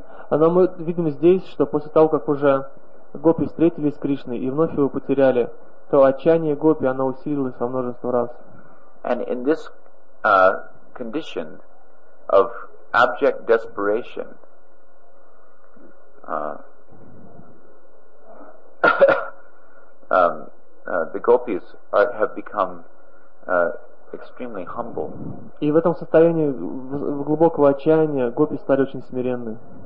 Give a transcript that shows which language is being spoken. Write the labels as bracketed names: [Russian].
[Russian] Но мы видим здесь, что после того, как уже гопи встретились с Кришной и вновь его потеряли, то отчаяние гопи оно усилилось во множество раз. [English] And in this condition of abject desperation, the gopis have become extremely humble. [Russian] И в этом состоянии глубокого отчаяния гопи стали очень смиренны.